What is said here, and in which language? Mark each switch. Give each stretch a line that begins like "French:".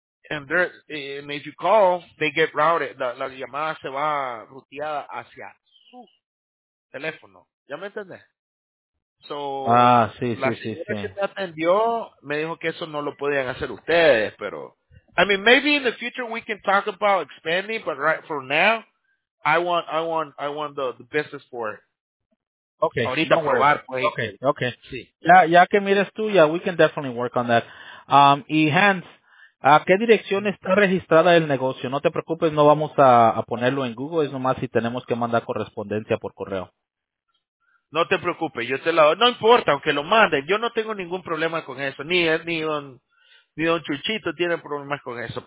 English: And if you call, they get routed,
Spanish: la llamada se va ruteada hacia su teléfono. ¿Ya me entendés?
English: So,
Spanish: sí. La señora que me atendió me dijo que eso no lo podían hacer ustedes, pero...
English: I mean, maybe in the future we can talk about expanding, but right for now, I want the business for it. Okay.
Spanish: Ahorita no probar, pues.
English: Okay.
Spanish: Sí. Ya que mires tú,
English: we can definitely work on that.
Spanish: Y Hans, ¿a qué dirección está registrada el negocio? No te preocupes, no vamos a ponerlo en Google, es nomás si tenemos que mandar correspondencia por correo. No te preocupes, yo te la doy. No importa, aunque lo manden. Yo no tengo ningún problema con eso. Ni don Chuchito tiene problemas con eso.